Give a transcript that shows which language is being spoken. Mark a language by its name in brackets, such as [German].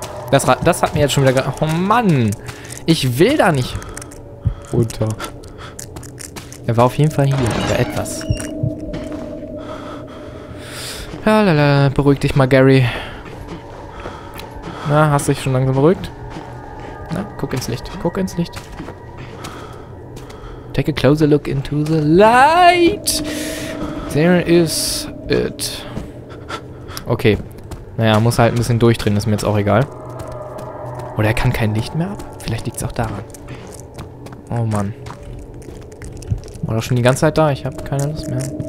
[German] Das hat mir jetzt schon wieder... Oh Mann! Ich will da nicht... runter. Er war auf jeden Fall hier. Oder etwas. Lalala, beruhig dich mal, Gary. Na, hast du dich schon langsam beruhigt? Na, guck ins Licht. Guck ins Licht. [English] Take a closer look into the light. There is it. Okay. [German] Naja, muss halt ein bisschen durchdrehen. Ist mir jetzt auch egal. Oder er kann kein Licht mehr ab? Vielleicht liegt es auch daran. Oh Mann. War doch schon die ganze Zeit da. Ich habe keine Lust mehr.